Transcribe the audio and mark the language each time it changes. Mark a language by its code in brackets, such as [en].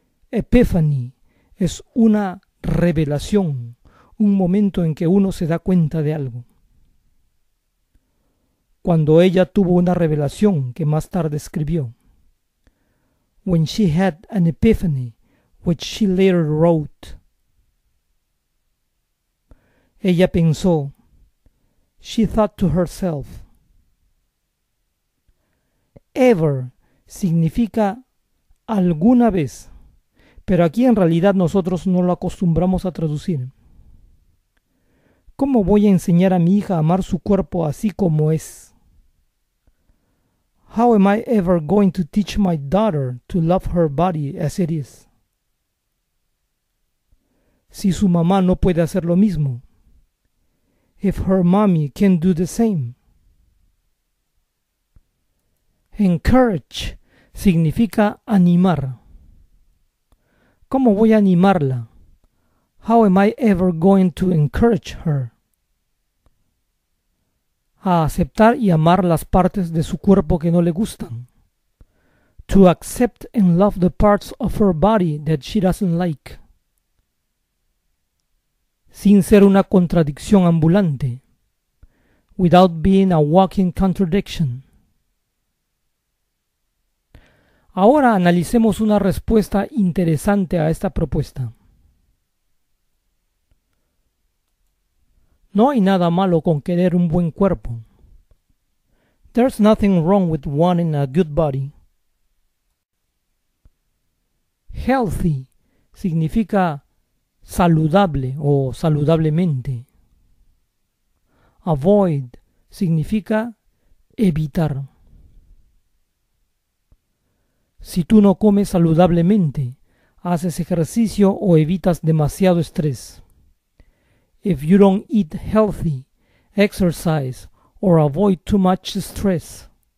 [es] Epiphany es una revelación, un momento en que uno se da cuenta de algo. Cuando ella tuvo una revelación que más tarde escribió. [en] When she had an epiphany, which she later wrote. [es] Ella pensó. [en] She thought to herself. [es] Ever significa alguna vez, pero aquí en realidad nosotros no lo acostumbramos a traducir. ¿Cómo voy a enseñar a mi hija a amar su cuerpo así como es? [en] How am I ever going to teach my daughter to love her body as it is? [es] Si su mamá no puede hacer lo mismo. [en] If her mommy can do the same. [es] Encourage significa animar. ¿Cómo voy a animarla? [en] How am I ever going to encourage her? [es] A aceptar y amar las partes de su cuerpo que no le gustan. [en] To accept and love the parts of her body that she doesn't like. [es] Sin ser una contradicción ambulante. [en] Without being a walking contradiction. [es] Ahora analicemos una respuesta interesante a esta propuesta. No hay nada malo con querer un buen cuerpo. [en] There's nothing wrong with wanting a good body. [es] Healthy significa saludable o saludablemente. Avoid significa evitar. Si tú no comes saludablemente, haces ejercicio o evitas demasiado estrés. [en] If you don't eat healthy, exercise, or avoid too much stress.